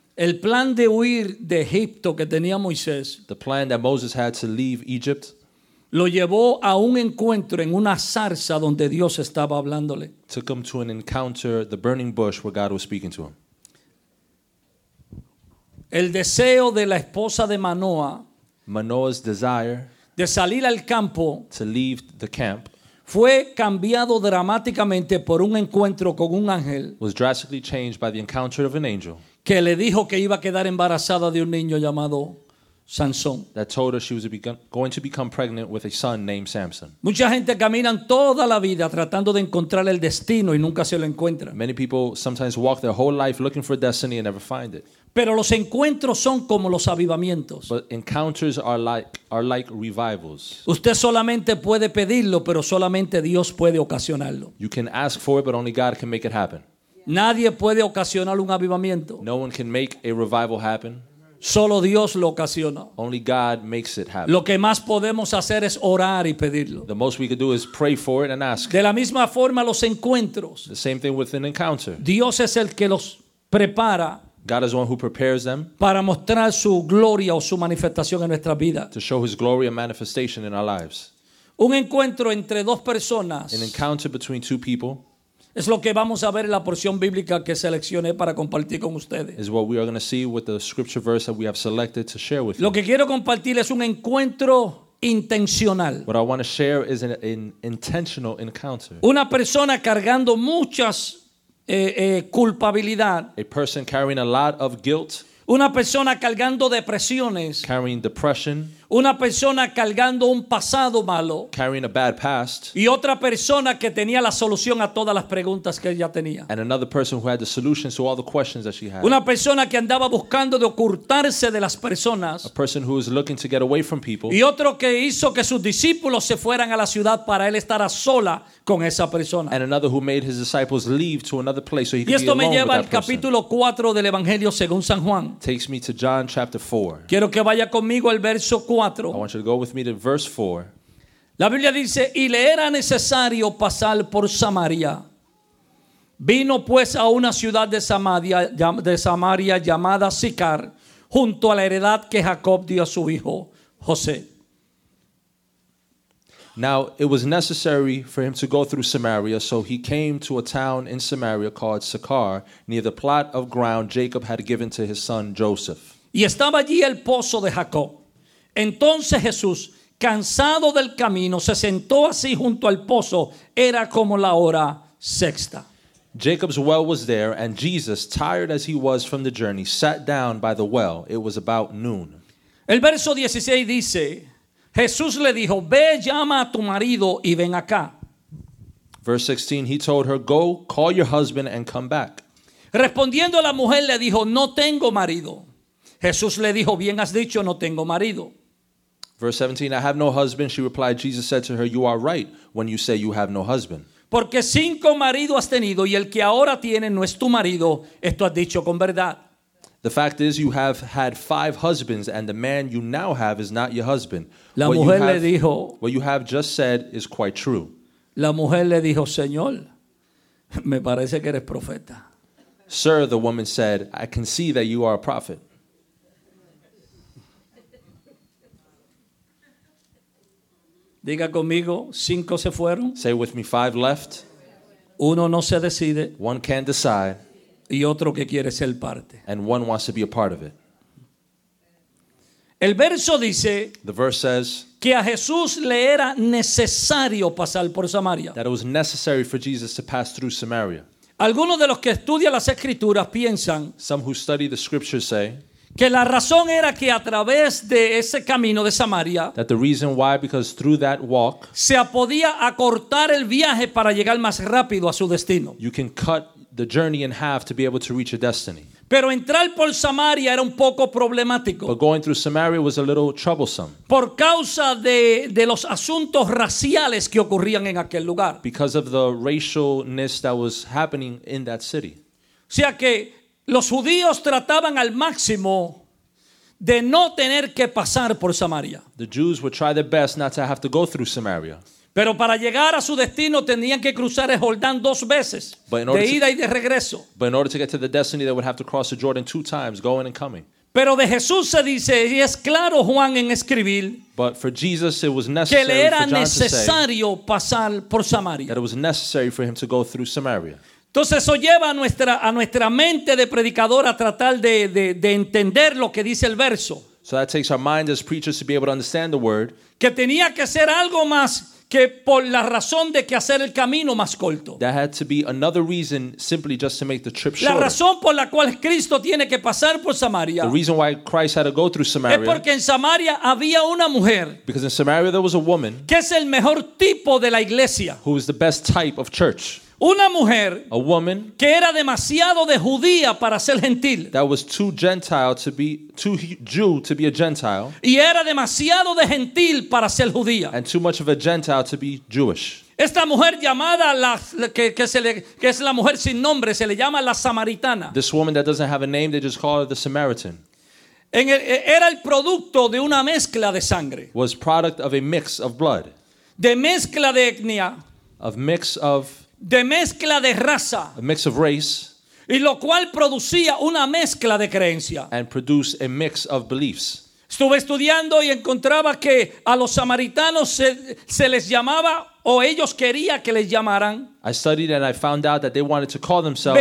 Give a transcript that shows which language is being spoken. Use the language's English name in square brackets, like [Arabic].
[Spanish] El plan de huir de Egipto que tenía Moisés. [English] The plan that Moses had to leave Egypt. [Spanish] Lo llevó a un encuentro en una zarza donde Dios estaba hablándole. [English] Took him to an encounter, the burning bush where God was speaking to him. [Spanish] El deseo de la esposa de Manoah. [English] Manoah's desire. [Spanish] De salir al campo. [English] To leave the camp. [Spanish] Fue cambiado dramáticamente por un encuentro con un ángel. [English] Was drastically changed by the encounter of an angel. [Spanish] Que le dijo que iba a quedar embarazada de un niño llamado Sansón. [English] That told her she was going to become pregnant with a son named Samson. [Spanish] Mucha gente caminan toda la vida tratando de encontrar el destino y nunca se lo encuentra. [English] Many people sometimes walk their whole life looking for destiny and never find it. [Spanish] Pero los encuentros son como los avivamientos. [English] But encounters are like revivals. [Spanish] Usted solamente puede pedirlo, pero solamente Dios puede ocasionarlo. [English] You can ask for it, but only God can make it happen. [Spanish] Nadie puede ocasionar un avivamiento. [English] No one can make a revival happen. [Spanish] Solo Dios lo ocasiona. [English] Only God makes it happen. [Spanish] Lo que más podemos hacer es orar y pedirlo. [English] The most we could do is pray for it and ask. [Spanish] De la misma forma los encuentros. [English] The same thing with an encounter. [Spanish] Dios es el que los prepara. [English] God is the one who prepares them. [Spanish] Para mostrar su gloria o su manifestación en nuestra vida. [English] To show his glory and manifestation in our lives. [Spanish] Un encuentro entre dos personas. [English] An encounter between two people. [Spanish] Es lo que vamos a ver en la porción bíblica que seleccioné para compartir con ustedes. [English] Is what we are going to see with the scripture verse that we have selected to share with [Spanish] lo Lo que quiero compartir es un encuentro intencional. [English] What I want to share is an intentional encounter. [Spanish] Una persona cargando muchas culpabilidad. [English] A person carrying a lot of guilt. [Spanish] Una persona cargando depresiones. [English] Carrying depression. [Spanish] Una persona cargando un pasado malo. [English] Carrying a bad past. [Spanish] Y otra persona que tenía la solución a todas las preguntas que ella tenía. [English] And another person who had the solutions to all the questions that she had. [Spanish] Una persona que andaba buscando de ocultarse de las personas. [English] A person who was looking to get away from people. [Spanish] Y otro que hizo que sus discípulos se fueran a la ciudad para él estar a sola con esa persona. [English] And another who made his disciples leave to another place so he could be alone with that person. [Spanish] Y esto me lleva al capítulo 4 del Evangelio según San Juan. [English] Takes me to John chapter 4. [Spanish] Quiero que vaya conmigo al verso 4. [English] I want you to go with me to verse 4. [Spanish] La Biblia dice, y le era necesario pasar por Samaria. Vino pues a una ciudad de Samaria llamada Sicar, junto a la heredad que Jacob dio a su hijo José. [English] Now it was necessary for him to go through Samaria, so he came to a town in Samaria called Sicar, near the plot of ground Jacob had given to his son Joseph. [Spanish] Y estaba allí el pozo de Jacob. Entonces Jesús, cansado del camino, se sentó así junto al pozo. Era como la hora sexta. [English] Jacob's well was there, and Jesus, tired as he was from the journey, sat down by the well. It was about noon. [Spanish] El verso 16 dice, Jesús le dijo, ve, llama a tu marido y ven acá. [English] Verse 16, he told her, go, call your husband and come back. [Spanish] Respondiendo la mujer le dijo, no tengo marido. Jesús le dijo, bien has dicho, no tengo marido. [English] Verse 17, I have no husband. She replied, Jesus said to her, you are right when you say you have no husband. [Spanish] Porque cinco maridos has tenido y el que ahora tiene no es tu marido. Esto has dicho con verdad. [English] The fact is, you have had five husbands and the man you now have is not your husband. La what mujer have, le dijo. What you have just said is quite true. [Spanish] La mujer le dijo, Señor, me parece que eres profeta. [English] Sir, the woman said, I can see that you are a prophet. [Spanish] Diga conmigo, cinco se fueron. [English] Say with me, five left. [Spanish] Uno no se decide. [English] One can't decide. [Spanish] Y otro que quiere ser parte. [English] And one wants to be a part of it. [Spanish] El verso dice, [English] the verse says, [Spanish] que a Jesús le era necesario pasar por Samaria. [English] That it was necessary for Jesus to pass through Samaria. [Spanish] Algunos de los que estudian las escrituras piensan, [English] some who study the scriptures say, [Spanish] que la razón era que a través de ese camino de Samaria, [English] that the reason why, because through that walk, [Spanish] se podía acortar el viaje para llegar más rápido a su destino. [English] You can cut the journey in half to be able to reach a destiny. [Spanish] Pero entrar por Samaria era un poco problemático. [English] But going through Samaria was a little troublesome. [Spanish] Por causa de los asuntos raciales que ocurrían en aquel lugar. [English] Because of the racialness that was happening in that city. [Spanish] O sea que los judíos trataban al máximo de no tener que pasar por Samaria. [English] The Jews would try their best not to have to go through Samaria. [Spanish] Pero para llegar a su destino tenían que cruzar el Jordán dos veces, de ida y de regreso. [English] But in order to get to the destiny, they would have to cross the Jordan two times, going and coming. [Spanish] Pero de Jesús se dice, y es claro Juan en escribir, [English] but for Jesus, it was necessary, [Spanish] que le era necesario pasar por Samaria. [English] That it was necessary for him to go through Samaria. [Spanish] Entonces eso lleva a nuestra mente de predicador a tratar de entender lo que dice el verso. [English] So that takes our mind as preachers to be able to understand the word. [Spanish] Que tenía que ser algo más que por la razón de que hacer el camino más corto. [English] That had to be another reason simply just to make the trip shorter. [Spanish] La razón por la cual Cristo tiene que pasar por Samaria. [English] The reason why Christ had to go through Samaria. [Spanish] Es porque en Samaria había una mujer. [English] Because in Samaria there was a woman. [Spanish] Que es el mejor tipo de la iglesia. [English] Who is the best type of church. [Spanish] Una mujer, [English] a woman, [Spanish] que era demasiado de judía para ser gentil. [English] That was too gentile to be, too Jew to be a gentile. [Spanish] Y era demasiado de gentil para ser judía. [English] And too much of a gentile to be Jewish. [Spanish] Esta mujer llamada que es la mujer sin nombre, se le llama la samaritana. [English] This woman that doesn't have a name, they just call her the Samaritan. [Spanish] Era el producto de una mezcla de sangre. [English] Was product of a mix of blood. [Spanish] De mezcla de etnia. [English] Of mix of [Spanish] de mezcla de raza. [English] A mix of race. [Spanish] Y lo cual producía una mezcla de creencia. [English] And produce a mix of beliefs. [Spanish] Estuve estudiando y encontraba que a los samaritanos se les llamaba, o ellos querían que les llamaran, [English] I studied and I found out that they wanted to call themselves